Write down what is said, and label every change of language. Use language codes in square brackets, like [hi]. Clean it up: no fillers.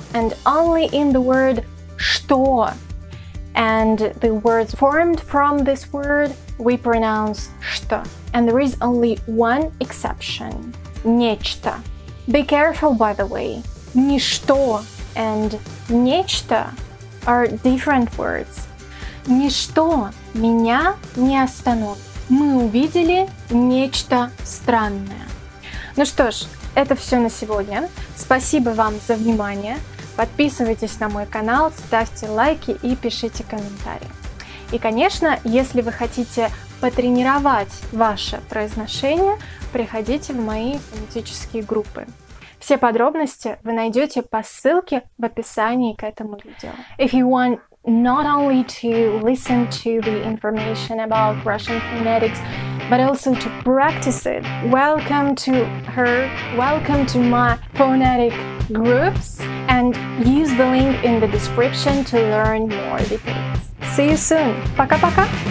[en] And only in the word «что». And the words formed from this word we pronounce «что». And there is only one exception. Нечто. Be careful, by the way. Ничто and нечто are different words. [ru] Ничто меня не остановит. Мы увидели нечто странное. Ну что ж, это все на сегодня. Спасибо вам за внимание. Подписывайтесь на мой канал, ставьте лайки и пишите комментарии. И, конечно, если вы хотите потренировать ваше произношение, приходите в мои фонетические группы. Все подробности вы найдете по ссылке в описании к этому видео. [en] If you want not only to listen to the information about Russian phonetics, but also to practice it, welcome to my phonetic groups and use the link in the description to learn more details. See you soon! [ru] Пока-пока!